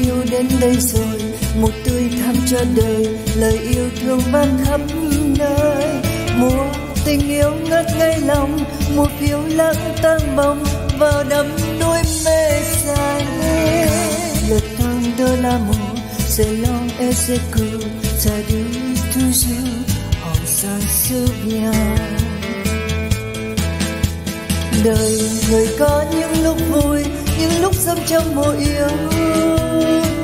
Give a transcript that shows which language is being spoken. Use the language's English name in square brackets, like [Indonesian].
[Vietnamese] đến đây rồi, một tươi thắm cho đời, lời yêu thương ban khắp nơi. Mùa tình yêu ngất ngây lòng, mùa phiêu lãng tan bóng vào đắm đuối mê say. [French] Le temps de l'amour, c'est long et c'est court, ça dure toujours, on s'en souvient. [Vietnamese] Đời người có những lúc vui, những lúc sống trong mùa yêu thương.